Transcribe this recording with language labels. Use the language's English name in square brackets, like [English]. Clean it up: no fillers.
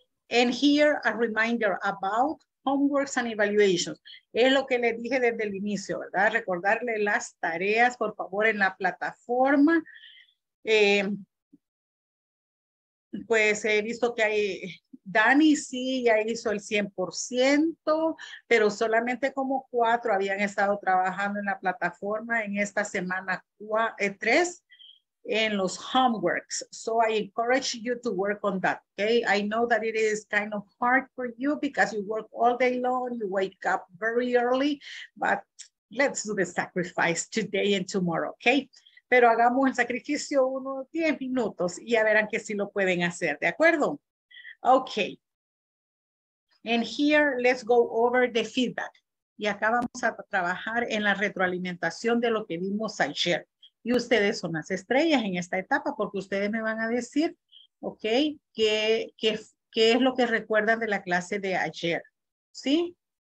[English] And here a reminder about homeworks and evaluations. [Spanish] Es lo que les dije desde el inicio, ¿verdad? Recordarle las tareas, por favor, en la plataforma. Pues he visto que hay, Dani sí ya hizo el 100%, pero solamente como 4 habían estado trabajando en la plataforma en esta semana 3. In los homeworks. [English] So I encourage you to work on that, okay? I know that it is kind of hard for you because you work all day long, you wake up very early, but let's do the sacrifice today and tomorrow, okay? [Spanish] Pero hagamos el sacrificio unos 10 minutos y ya verán que sí lo pueden hacer, ¿de acuerdo? Okay. [English] And here, let's go over the feedback. [Spanish] Y acá vamos a trabajar en la retroalimentación de lo que vimos ayer. Y ustedes son las estrellas en esta etapa porque ustedes me van a decir, ok, qué es lo que recuerdan de la clase de ayer, ¿sí?